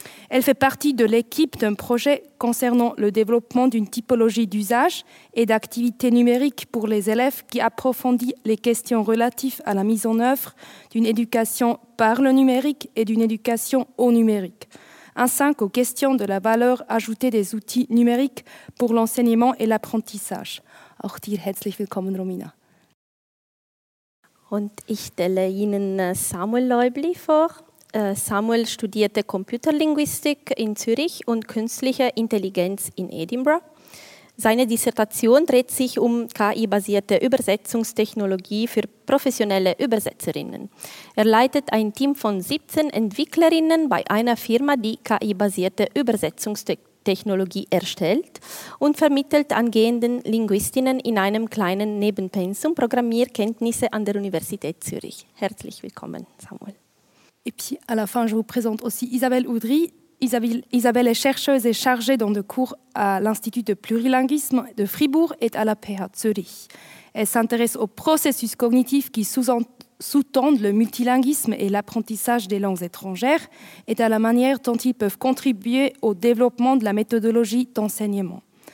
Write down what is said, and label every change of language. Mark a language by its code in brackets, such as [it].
[fr] Elle fait partie de l'équipe d'un projet concernant le développement d'une typologie d'usage et d'activités numériques pour les élèves qui approfondit les questions relatives à la mise en œuvre d'une éducation par le numérique et d'une éducation au numérique, ainsi qu'aux questions de la valeur ajoutée des outils numériques pour l'enseignement et l'apprentissage. [de] Auch dir herzlich willkommen, Romina. Und ich stelle Ihnen Samuel Leubli vor. Samuel studierte Computerlinguistik in Zürich und künstliche Intelligenz in Edinburgh. Seine Dissertation dreht sich um KI-basierte Übersetzungstechnologie für professionelle Übersetzerinnen. Er leitet ein Team von 17 Entwicklerinnen bei einer Firma, die KI-basierte Übersetzungstechnologie erstellt und vermittelt angehenden Linguistinnen in einem kleinen Nebenpensum Programmierkenntnisse an der Universität Zürich. Herzlich willkommen, Samuel. [fr] Et puis à la fin, je vous présente aussi Isabelle Oudry. Isabelle est chercheuse et chargée dans des cours à l'Institut de plurilinguisme de Fribourg et à la PH Zürich. Elle s'intéresse aux processus cognitifs qui sous-tendent le multilinguisme et l'apprentissage des langues étrangères et à la manière dont ils peuvent contribuer au développement de la méthodologie d'enseignement.